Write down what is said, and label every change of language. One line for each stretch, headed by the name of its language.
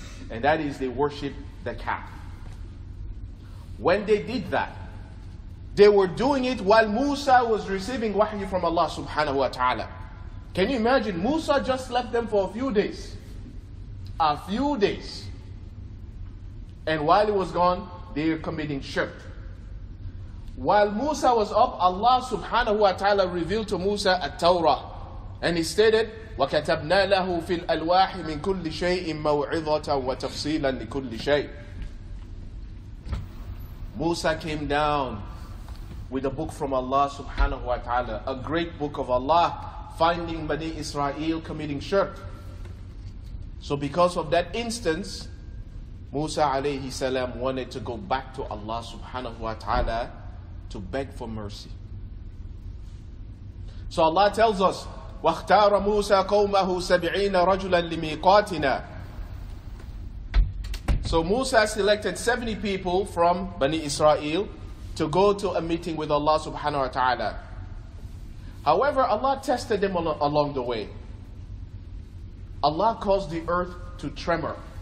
English: And that is they worship the calf. When they did that, they were doing it while Musa was receiving wahy from Allah subhanahu wa ta'ala. Can you imagine? Musa just left them for a few days. A few days. And while he was gone, they were committing shirk. While Musa was up, Allah subhanahu wa ta'ala revealed to Musa a Torah. And he stated,
Arabic: وَكَتَبْنَا لَهُ فِي الْأَلْوَاحِ مِنْ كُلِّ شَيْءٍ مَوْعِظَةً وَتَفْصِيلًا لِكُلِّ شَيْءٍ.
English: Musa came down with a book from Allah subhanahu wa ta'ala, a great book of Allah, finding Bani Israel committing shirk. So because of that instance, Musa alayhi salam wanted to go back to Allah subhanahu wa ta'ala to beg for mercy. So Allah tells us,
Arabic: وَاخْتَارَ مُوسَى قَوْمَهُ سَبْعِينَ رَجُلًا لِمِيقَاتِنَا.
English: So Musa selected 70 people from Bani Israel to go to a meeting with Allah subhanahu wa ta'ala. However, Allah tested them along the way. Allah caused the earth to tremor.